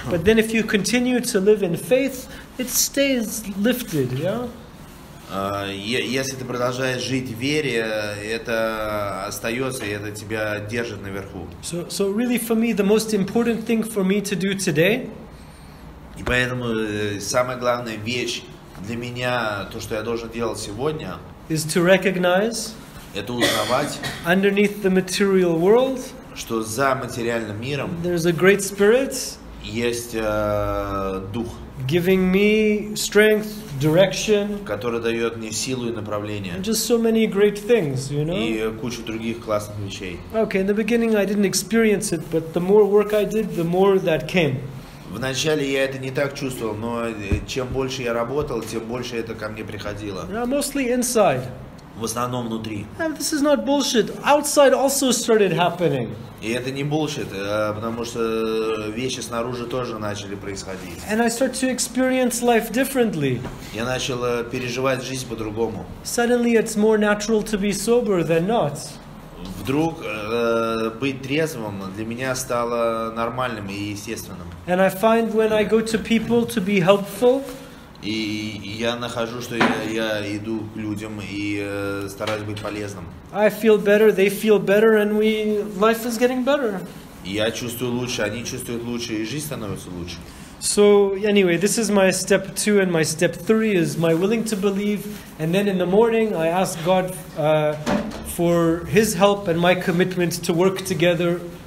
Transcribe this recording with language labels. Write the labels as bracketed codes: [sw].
[en] But then, if you continue to live in faith, it stays lifted. Yeah. [ru] Если ты продолжаешь жить в вере, это остается, и это тебя держит наверху. [en] So really for me, the most important thing for me to do today. [ru] И поэтому самая главная вещь для меня, то, что я должен делать сегодня, [en] is to recognize, [ru] это узнавать, [en] underneath the material world, [ru] что за материальным миром, [en] there's a great spirit, [ru] есть дух. [en] Giving me strength, direction, [ru] который дает мне силу и направление, [en] and just so many great things, you know? [ru] И кучу других классных вещей. [en] Okay, in the beginning I didn't experience it, but the more work I did, the more that came. [ru] Вначале я это не так чувствовал, но чем больше я работал, тем больше это ко мне приходило. [en] Yeah, mostly inside. [ru] В основном внутри. [en] And this is not bullshit. Outside also started happening. [ru] И это не bullshit, потому что вещи снаружи тоже начали происходить. [en] And I start to experience life differently. [ru] Я начал переживать жизнь по-другому. [en] Suddenly it's more natural to be sober than not. [ru] Вдруг быть трезвым для меня стало нормальным и естественным. [en] And I find when I go to people to be helpful. [ru] И я нахожу, что я иду к людям и стараюсь быть полезным. [en] I feel better, they feel better, and life is getting better. [ru] Я чувствую лучше, они чувствуют лучше, и жизнь становится лучше. [en] So anyway, this is my step two, and my step three is my willing to believe, and then in the morning I ask God for His help and my commitment to work together.